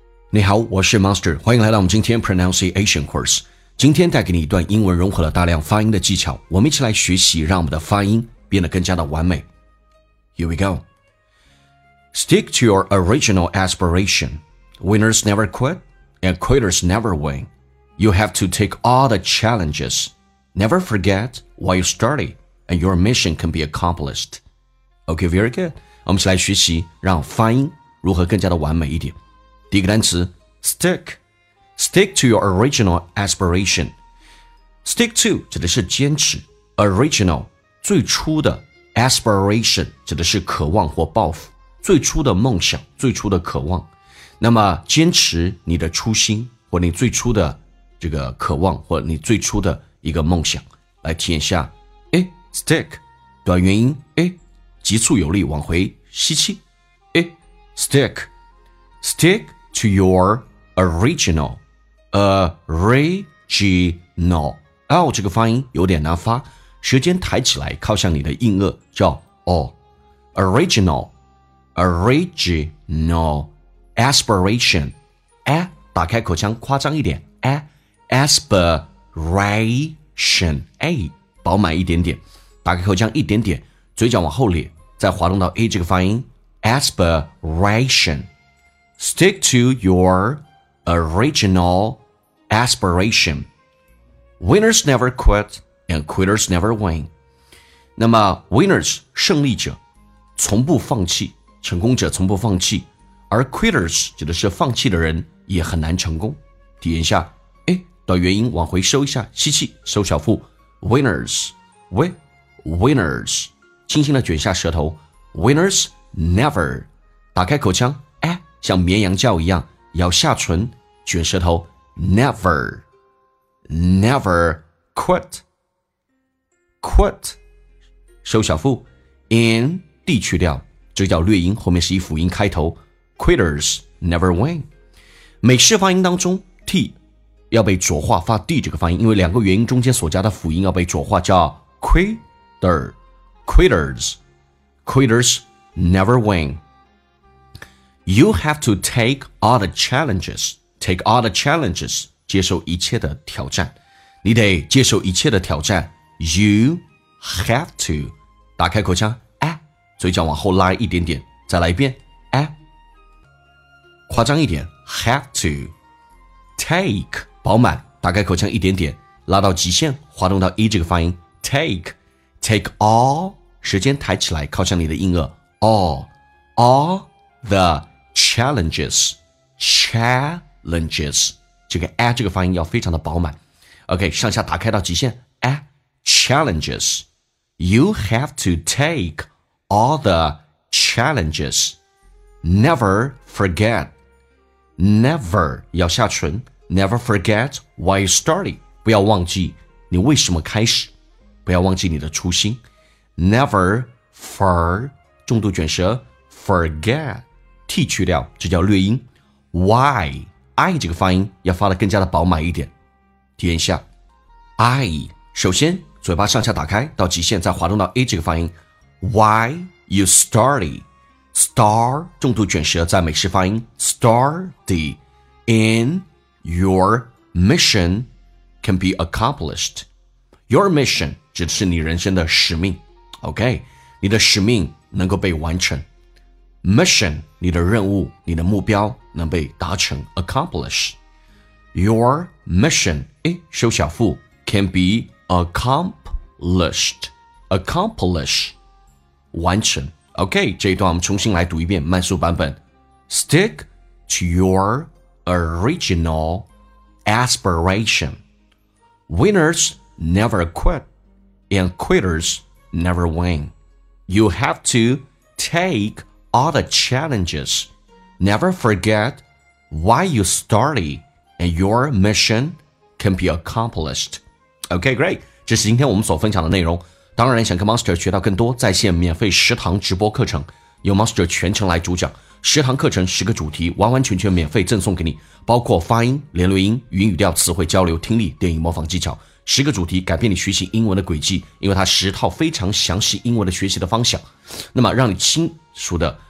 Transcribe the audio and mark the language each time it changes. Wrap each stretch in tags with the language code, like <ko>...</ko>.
<zh>你好，我是 Master， 欢迎来到我们今天 Pronunciation Course。今天带给你一段英文融合了大量发音的技巧，我们一起来学习，让我们的发音变得更加的完美。</zh> <en>Here we go. Stick to your original aspiration. Winners never quit, and quitters never win. You have to take all the challenges. Never forget why you started, and your mission can be accomplished. Okay, very good.</en> <zh>我们一起来学习，让发音如何更加的完美一点。第一个单词</zh> <en>stick， stick to your original aspiration。</en> <zh>stick to 指的是坚持， original 最初的， aspiration 指的是渴望或抱负，最初的梦想，最初的渴望。那么坚持你的初心，或你最初的这个渴望，或你最初的一个梦想，来体验一下。哎， stick， 短元音，哎，急促有力，往回吸气。</zh> <en>哎， stick， stick。 To your original, original.</en> <zh>L 这个发音有点难发，舌尖抬起来靠向你的硬腭，叫 O.</zh> <en>Original, original, aspiration.</en> <zh>A 打开口腔夸张一点， A aspiration, A 饱满一点点，打开口腔一点点，嘴角往后咧，再滑动到 A 这个发音， aspiration.</zh> <en>Stick to your original aspiration. Winners never quit and quitters never win.</en> <zh>那么 winners 胜利者从不放弃，成功者从不放弃，而 quitters 指的是放弃的人也很难成功。体验一下，哎，短元音往回收一下，吸气，收小腹。</zh> <en>Winners, winners,</en> <zh>轻轻的卷下舌头。</zh> <en>Winners never,</en> <zh>打开口腔。像绵羊叫一样，咬下唇，卷舌头。</zh> <en>Never, never quit, quit.</en> <zh>收小腹 ，and D 去掉，这叫略音，后面是一辅音开头。</zh> <en>Quitters never win.</en> <zh>美式发音当中 ，T 要被浊化发 D 这个发音，因为两个元音中间所加的辅音要被浊化，叫</zh> <en>quitter, quitters, quitters never win. You have to take all the challenges. Take all the challenges.</en> <zh>接受一切的挑战。你得接受一切的挑战。</zh> <en>You have to.</en> <zh>打开口腔，哎，嘴角往后拉一点点。再来一遍，哎，夸张一点。</zh> <en>Have to. Take.</en> <zh>饱满。打开口腔一点点，拉到极限，滑动到 E 这个发音。</zh> <en>Take. Take all.</en> <zh>舌尖抬起来，靠向你的硬腭。</zh> <en>All. All the.</en> <zh>Challenges, challenges, 这个 a 这个发音要非常的饱满。 OK, 上下打开到极限 a challenges.</zh> <en>You have to take all the challenges. Never forget. Never, 咬下唇 Never forget why you started.</en> <zh>不要忘记你为什么开始，不要忘记你的初心。</zh> <en>Never for,</en> <zh>重度卷舌</zh> <en>forget.</en> <zh>T 去掉，这叫略音。 Why I 这个发音要发得更加的饱满一点。体验一下 ，I 首先嘴巴上下打开到极限，再滑动到 A 这个发音。</zh> <en>Why you started? Star 重度卷舌，</en> <zh>在美式发音</zh> <en>started in your mission can be accomplished. Your mission</en> <zh>指的是你人生的使命。OK, 你的使命能够被完成。 Mission, 你的任务，你的目标能被达成 accomplish.</zh> <en>Your mission, 诶，</en> <zh>收小腹</zh> <en>can be accomplished, accomplish, 完成。</en> <zh>OK, 这一段我们重新来读一遍慢速版本。</zh> <en>Stick to your original aspiration. Winners never quit, and quitters never win. You have to takeAll the challenges. Never forget why you started and your mission can be accomplished. Okay, great.</en> <zh>这是今天我们所分享的内容。当然想跟 Master 学到更多在线免费十堂直播课程，由 Master 全程来主讲。十堂课程十个主题完完全全免费赠送给你，包括发音、连略音、语音语调、词汇交流、听力、电影模仿技巧。十个主题改变你学习英文的轨迹，因为它十套非常详细英文的学习的方向，那么让你清楚的</zh>